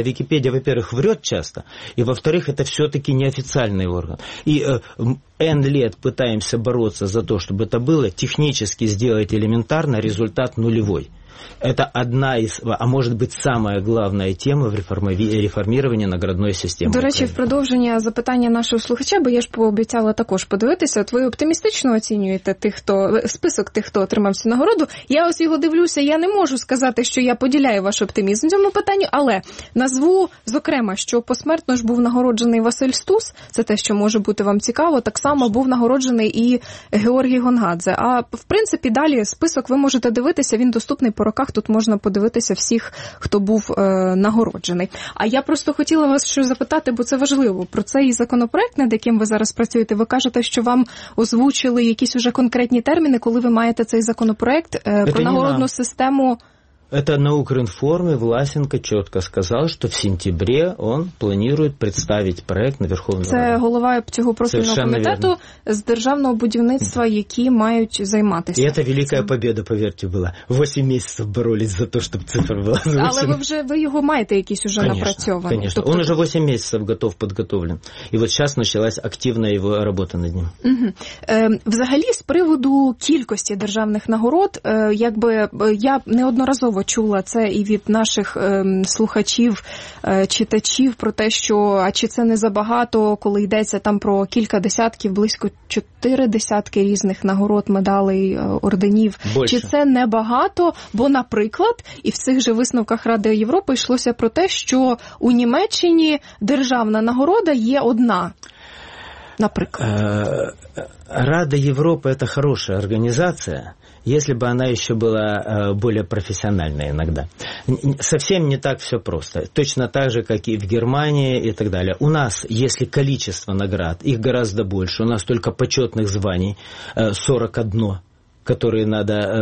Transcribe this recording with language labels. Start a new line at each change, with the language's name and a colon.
Russian: Википедия, во-первых, врет часто, и, во-вторых, это все-таки неофициальный орган. И N лет пытаемся бороться за то, чтобы это было, технически сделать элементарно, результат нулевой. Это одна из, а может быть, самая главная тема в реформировании
Ukrainian: наградної системи. До речі, в продовження запитання нашого слухача, бо я ж пообіцяла також подивитися, от ви оптимістично оцінюєте тих, хто список тих, хто отримав цю нагороду. Я ось його дивлюся, я не можу сказати, що я поділяю ваш оптимізм в цьому питанні, але назву, зокрема, що посмертно ж був нагороджений Василь Стус, це те, що може бути вам цікаво, так само був нагороджений і Георгій Гонгадзе. А в принципі, далі список ви можете дивитися, він доступний по роках, тут можна подивитися всіх, хто був нагороджений. А я просто хотіла вас що запитати, бо це важливо. Про цей законопроект, над яким ви зараз працюєте, ви кажете, що вам озвучили якісь уже конкретні терміни, коли ви маєте цей законопроект про нагородну систему.
Russian: Это на Укринформе Власенко чётко сказал, что в сентябре он планирует представить проект на Верховную Раду.
Ukrainian: Это голова цього профільного комітету з державного будівництва, які мають займатися. І це велика победа, повірте, була. 8 місяців боролись за те, щоб цифра була озвучена. Але ви його маєте якийсь уже напрацьований.
Russian: Конечно.
Ukrainian: Тобто...
Russian: Он уже
Ukrainian: 8 місяців готов, підготовлен. І от зараз почалась активна його робота над ним. Взагалі, з приводу кількості державних нагород, якби я неодноразово чула це і від наших слухачів, читачів про те, що, а чи це не забагато, коли йдеться там про кілька десятків, близько 4 десятки різних нагород, медалей, орденів.
Russian: Больше.
Ukrainian: Чи це не багато? Бо, наприклад, і в цих же висновках Ради Європи йшлося про те, що у Німеччині державна нагорода є одна. Наприклад. Рада Європи – це хороша організація.
Russian: Если бы она еще была более профессиональной иногда. Совсем не так все просто. Точно так же, как и в Германии и так далее. У нас, если количество наград, их гораздо больше. У нас только почетных званий 41, которые надо...